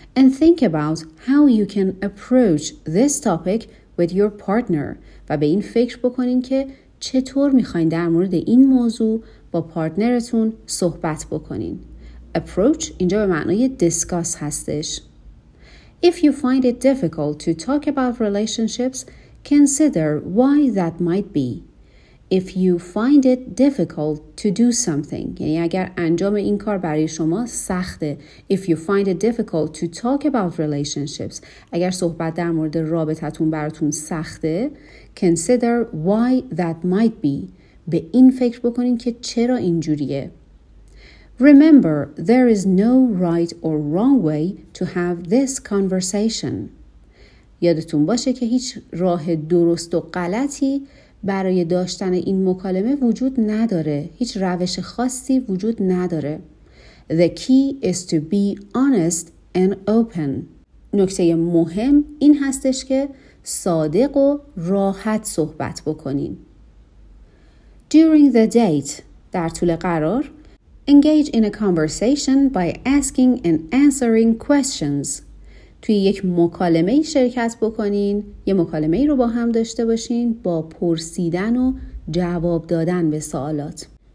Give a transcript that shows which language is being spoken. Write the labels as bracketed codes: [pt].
[en] And think about how you can approach this topic with your partner، [fa] و به این فکر بکنین که چطور میخواین در مورد این موضوع با پارتنرتون صحبت بکنین. Approach اینجا به معنای discuss هستش. [en] If you find it difficult to talk about relationships, consider why that might be. If you find it difficult to do something، [fa] یعنی اگر انجام این کار برای شما سخته. [en] If you find it difficult to talk about relationships، [fa] اگر صحبت در مورد رابطتون براتون سخته، [en] consider why that might be، [fa] به این فکر بکنین که چرا اینجوریه. [en] Remember, there is no right or wrong way to have this conversation. [fa] یادتون باشه که هیچ راه درست و غلطی برای داشتن این مکالمه وجود نداره. هیچ روش خاصی وجود نداره. [en] The key is to be honest and open. [fa] نکته مهم این هستش که صادق و راحت صحبت بکنین. [en] During the date، [fa] در طول قرار، [en] engage in a conversation by asking and answering questions. [fa] توی یک مکالمه شرکت بکنین، یه مکالمه رو با هم داشته باشین با پرسیدن و جواب دادن به سوالات.